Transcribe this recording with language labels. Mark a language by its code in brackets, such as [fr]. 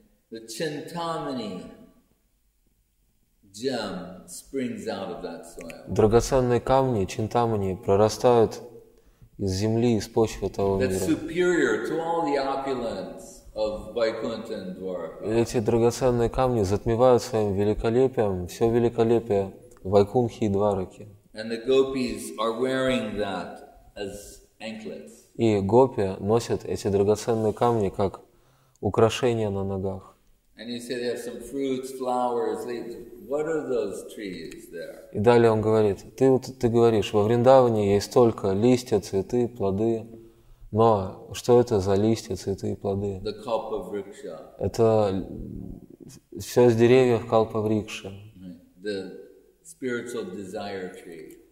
[en] The Chintamani gem springs out of that soil. [ru] Драгоценные камни Чинтамани прорастают из земли, из почвы того мира. [en] That's superior to all the opulence of Vaikuntha and Dwaraka. [ru] Эти драгоценные камни затмевают своим великолепием все великолепие Вайкунхи и Двараки. [en] And the gopis are wearing that as anklets. [ru] И гопи носят эти драгоценные камни как украшения на ногах. [en] And you say they have some fruits, flowers, leaves. What are those trees there? [ru] И далее он говорит, ты говоришь, во Вриндаване есть только листья, цветы, плоды. Но что это за листья, цветы и плоды? [en] The kalpavriksha. [ru] Это все из деревьев kalpavriksha. [en] The spiritual desire tree.